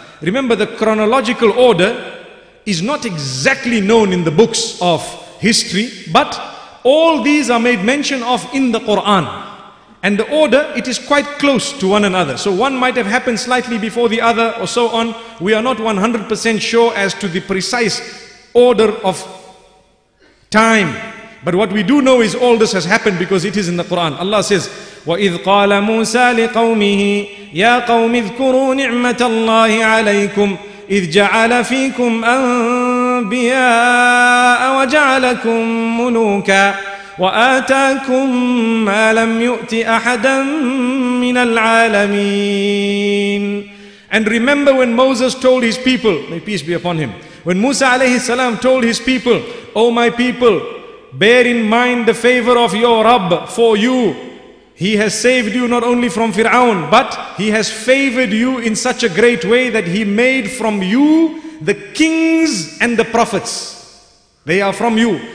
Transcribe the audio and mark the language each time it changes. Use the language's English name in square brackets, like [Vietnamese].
[English] Remember, the chronological order is not exactly known in the books of history, but all these are made mention of in the Quran. And the order, it is quite close to one another. So one might have happened slightly before the other or so on. We are not 100% sure as to the precise order of time. But what we do know is all this has happened because it is in the Quran. Allah says, [Arabic] وَإِذْ قَالَ مُوسَى لِقَوْمِهِ يَا قَوْمِ اذْكُرُوا نِعْمَةَ اللَّهِ عَلَيْكُمْ إِذْ جَعَلَ فِيكُمْ أَنْبِيَاءَ أنبياء وجعلكم ملوكا وآتاكم ما لم يؤت أحدا من العالمين. [English] And remember when Moses told his people, may peace be upon him, when Musa alayhi salam told his people, O my people, bear in mind the favor of your Rabb for you. He has saved you not only from Fir'aun, but he has favored you in such a great way that he made from you the kings and the prophets. They are from you.